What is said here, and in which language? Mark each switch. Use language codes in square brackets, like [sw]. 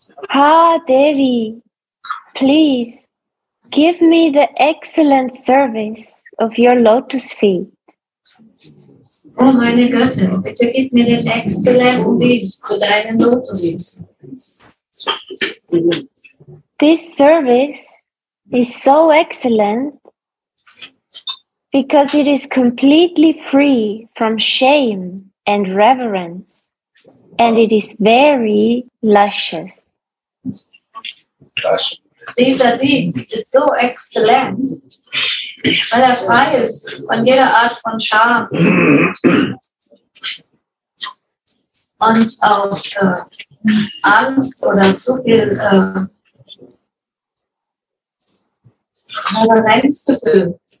[en] Ha Devi, please give me the excellent service of your lotus feet. [de] Oh, meine Göttin, bitte gib mir den exzellenten Dienst zu deinen [en] Lotus Feet. This service is so excellent because it is completely free from shame and reverence, and it is very luscious. [de] Dieser Dienst ist so exzellent, weil frei ist von jeder Art von Scham und auch Angst oder zu viel Reverenzgefühl.